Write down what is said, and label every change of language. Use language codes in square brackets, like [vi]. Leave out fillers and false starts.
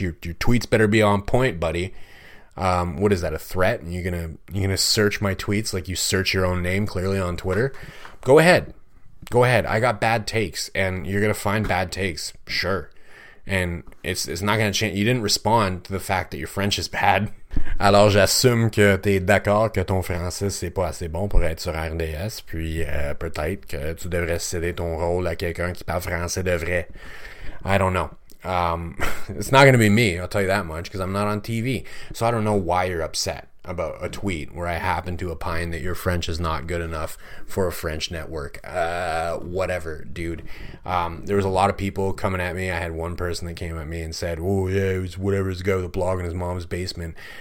[en] Your tweets better be on point, buddy. What is that, a threat? And you're going to search my tweets like you search your own name clearly on Twitter? Go ahead. I got bad takes, and you're going to find bad takes. Sure. And it's not going to change. You didn't respond to the fact that your French is bad. [fr] Alors, j'assume que t'es d'accord que ton français c'est pas assez bon pour être sur RDS, puis peut-être que tu devrais céder ton rôle à quelqu'un qui parle français de vrai. [en] I don't know. It's not going to be me, I'll tell you that much, because I'm not on TV. So I don't know why you're upset. about a tweet where I happen to opine that your French is not good enough for a French network. Whatever, dude. There was a lot of people coming at me. I had one person that came at me and said, oh, yeah, it was whatever, this guy with a blog in his mom's basement.